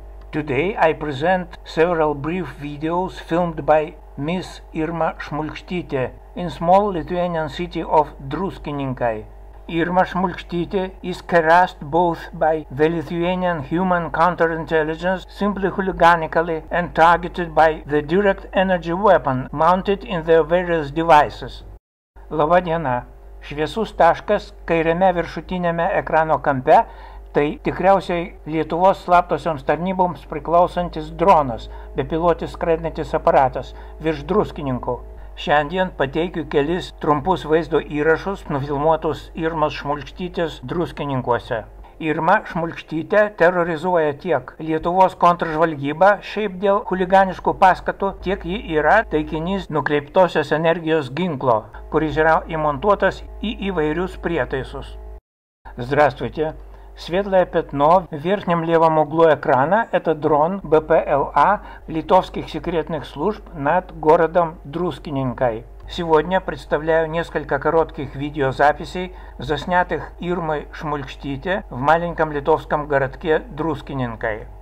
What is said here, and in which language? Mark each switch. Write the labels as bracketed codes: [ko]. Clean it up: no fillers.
[en] Today I present several brief videos filmed by Miss Irma Šmulkštytė in small Lithuanian city of Druskininkai. Irma Šmulkštytė is harassed both by the Lithuanian human counterintelligence simply hooliganically and targeted by the direct energy weapon mounted in their various devices. [lt] Labą dieną. Šviesus taškas kairiame viršutinėme ekrano kampe tai tikriausiai Lietuvos slaptosioms tarnyboms priklausantis dronas, bepilotis skraidantis aparatas virš Druskininkų. Šiandien pateikiu kelis trumpus vaizdo įrašus nufilmuotus Irmos Šmulkštytės Druskininkuose. Irma Šmulkštytė terorizuoja tiek Lietuvos kontržvalgybą šiaip dėl huliganiškų paskatų, tiek ji yra taikinys nukreiptosios energijos ginklo, kuris yra įmontuotas į įvairius prietaisus. [ru] Здравствуйте! Светлое пятно в верхнем левом углу экрана – это дрон БПЛА литовских секретных служб над городом Друскининкай. Сегодня представляю несколько коротких видеозаписей, заснятых Ирмой Шмулькштите в маленьком литовском городке Друскининкай.